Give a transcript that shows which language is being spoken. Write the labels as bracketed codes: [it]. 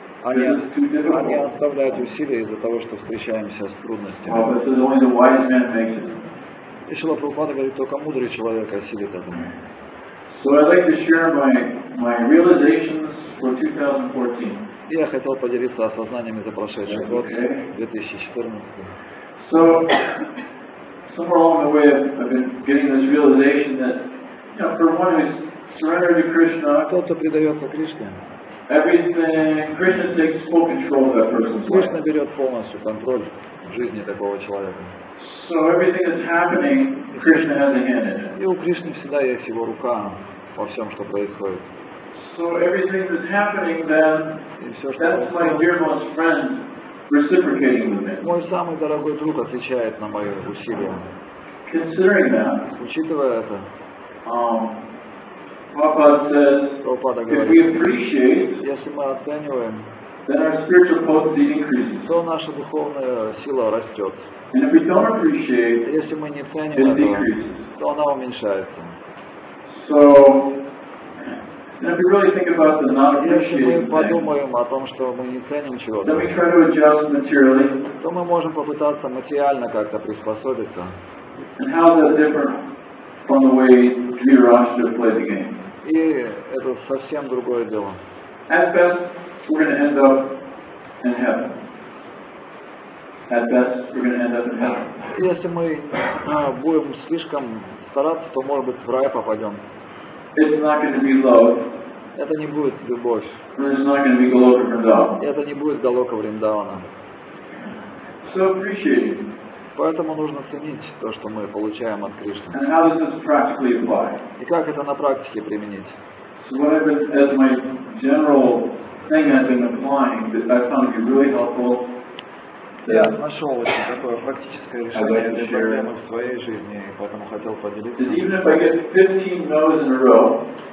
[ru] Они оставляют усилия из-за того, что встречаемся с трудностями. Oh, и Шрила Прабхупада говорит, только мудрый человек осилит это. [en] So I'd like to share my realizations for 2014. [ru] И я хотел поделиться осознаниями за прошедший год, 2014. [en] So somewhere along the way I've been getting this realization that, you know, for one is surrender to Krishna. [ru] Тот, кто предается Кришне. [en] Everything Krishna takes full control of that person's life. [ru] Кришна берет полностью контроль в жизни такого человека. [en] So everything that's happening, Krishna has a hand in it. [ru] И у Кришны всегда есть его рука во всем, что происходит. [en] So everything that's happening then, [ru] все, [en] that's my dearmost friend reciprocating with me. [ru] Мой самый дорогой друг отвечает на мои усилия. [en] Considering that, [ru] учитывая это, [en] Prabhupada says, if we appreciate, [ru] если мы оцениваем, [en] then our spiritual potency increases. [ru] То наша духовная сила растет. [en] And if we don't appreciate, [ru] если мы не ценим [en] it [ru] этого, [en] decreases. [ru] То она уменьшается. [en] So, and if we really think about the not appreciating, [ru] если мы подумаем о том, что мы не ценим чего-то, [en] then we try to adjust materially. [ru] То мы можем попытаться материально как-то приспособиться. [en] And how that different from the way Dhritarashtra played the game. [ru] И это совсем другое дело. [en] At best, we're going to end up in heaven. At best, we're going to end up in heaven. [ru] Если мы будем слишком стараться, то, может быть, в рай попадем. [en] It's not going to be love. [ru] Это не будет любовь. [en] It's not going to be Галока Вриндавана. [ru] Это не будет Галока Вриндавана. [en] So appreciate it. [ru] Поэтому нужно ценить то, что мы получаем от Кришны. [en] And how does this practically apply? [ru] И как это на практике применить? [en] So what I've been, as my general thing I've been applying, that I found to be really helpful. [ru] Я нашел очень такое практическое решение для проблемы в своей жизни, и поэтому хотел поделиться. [en] That even if I get 15 no's in a row,